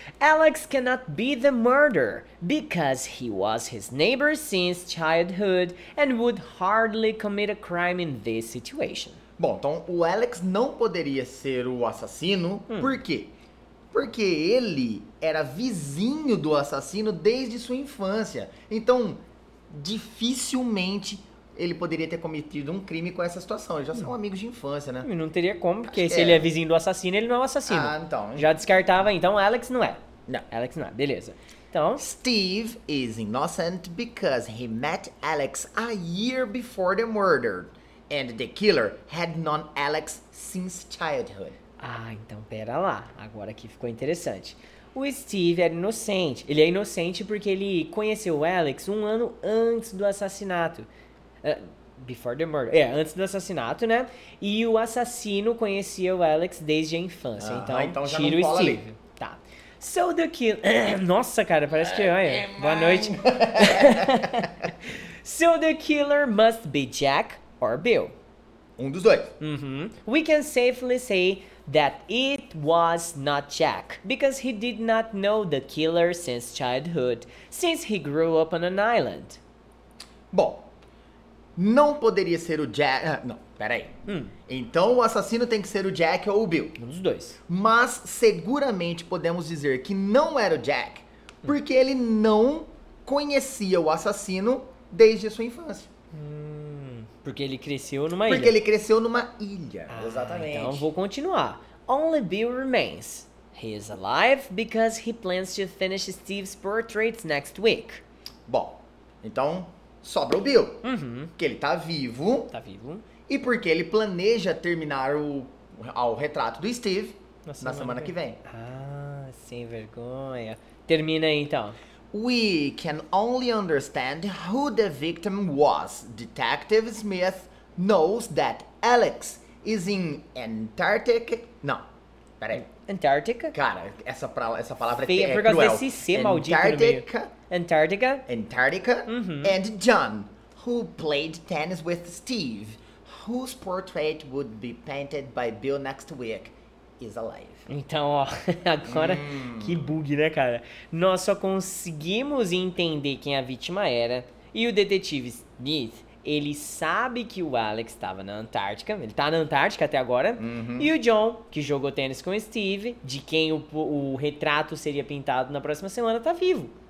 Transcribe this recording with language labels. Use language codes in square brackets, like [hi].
[en] Alex cannot be the murderer because he was his neighbor since childhood and would hardly commit a crime in this situation. [pt] Bom, então o Alex não poderia ser o assassino. Por quê? Porque ele era vizinho do assassino desde sua infância. Então, dificilmente... ele poderia ter cometido um crime com essa situação. Eles já são amigos de infância, né? Não teria como, porque se ele é vizinho do assassino, ele não é o assassino. Ah, então. Já descartava, então Alex não é. Não. Alex não é, beleza. Então... [en] Steve is innocent because he met Alex a year before the murder. And the killer had known Alex since childhood. [pt] Ah, então pera lá. Agora aqui ficou interessante. O Steve era inocente. Ele é inocente porque ele conheceu o Alex um ano antes do assassinato. [en] Before the murder. [pt] Antes do assassinato, né? E o assassino conhecia o Alex desde a infância. Ah, então já tira não o Steve. Ali. Tá. [en] So the killer. [pt] Nossa, cara, parece que. Olha. Boa noite. [en] So the killer must be Jack or Bill. [pt] Um dos dois. Uhum. [en] We can safely say that it was not Jack, because he did not know the killer since childhood, since he grew up on an island. [pt] Bom. Não poderia ser o Jack... Não, peraí. Então o assassino tem que ser o Jack ou o Bill. Um dos dois. Mas seguramente podemos dizer que não era o Jack, porque ele não conhecia o assassino desde a sua infância. Porque ele cresceu numa ilha. Porque ele cresceu numa ilha, exatamente. Então vou continuar. [en] Only Bill remains. He is alive because he plans to finish Steve's portraits next week. [pt] Bom, então sobra o Bill. Uhum. Que ele tá vivo. Tá vivo. E porque ele planeja terminar o retrato do Steve na semana que vem. Ah, sem vergonha. Termina aí então. [en] We can only understand who the victim was. Detective Smith knows that Alex is in Antarctica. [pt] Não, peraí. [en] Antarctica? [pt] Cara, essa palavra feia, é por causa cruel. Desse C maldito. Antarctica. No meio. [en] Antarctica. Antarctica. [pt] Uhum. [en] And John, who played tennis with Steve, whose portrait would be painted by Bill next week, is alive. [pt] Então, ó, agora que bug, né, cara? Nós só conseguimos entender quem a vítima era e o detetive Smith. Ele sabe que o Alex estava na Antártica, ele tá na Antártica até agora. Uhum. E o John, que jogou tênis com o Steve, de quem o retrato seria pintado na próxima semana, tá vivo.